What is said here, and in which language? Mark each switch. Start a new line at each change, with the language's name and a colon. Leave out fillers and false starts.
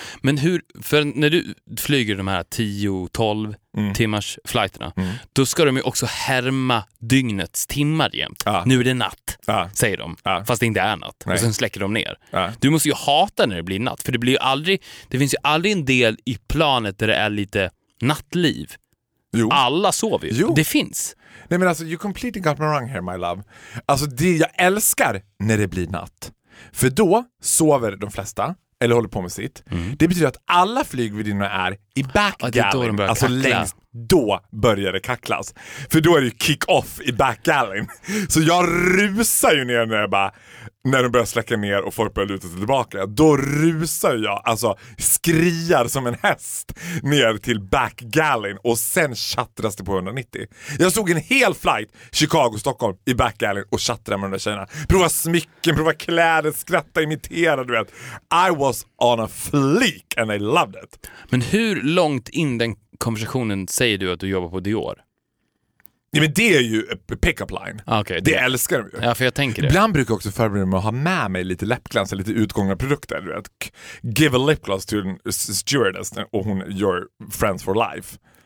Swedish: Men för när du flyger de här 10-12 timmars flighterna, då ska de ju också härma dygnets timmar jämt. Nu är det natt, säger de. Fast det inte är natt. Nej. Och sen släcker de ner. Du måste ju hata när det blir natt. För det blir ju aldrig, det finns ju aldrig en del i planet där det är lite nattliv. Jo. Alla sover ju. Det finns. Nej, men alltså,
English: you completely got me wrong here, my love.
Swedish: Alltså, det jag älskar när det blir natt. För då sover de flesta, eller håller på med sitt. Mm. Det betyder att alla flygvärdinnor är i backgallen. Alltså, längst då börjar det kacklas. För då är det ju kick-off i backgallen. Så jag rusar ju ner när de börjar släcka ner och folk börjar luta sig tillbaka. Då rusar jag, alltså skriar som en häst ner till backgallen och sen chattras det på 190. Jag såg en hel flight, Chicago-Stockholm i backgallen och chattrade med de där tjejerna. Prova smycken, prova kläder, skratta, imitera, du vet.
English: I was on a fleek and I loved it.
Swedish: Men hur långt in den konversationen säger du att du jobbar på Dior? Ja, men det är ju pick-up line.
English: Okay,
Swedish: det älskar de ju. Ja, för jag tänker det. Ibland brukar jag också förbereda mig att ha med mig lite läppglans eller lite utgångna produkter. Du vet.
English: Give a lip gloss to a stewardess
Swedish: och hon
English: your friends for life.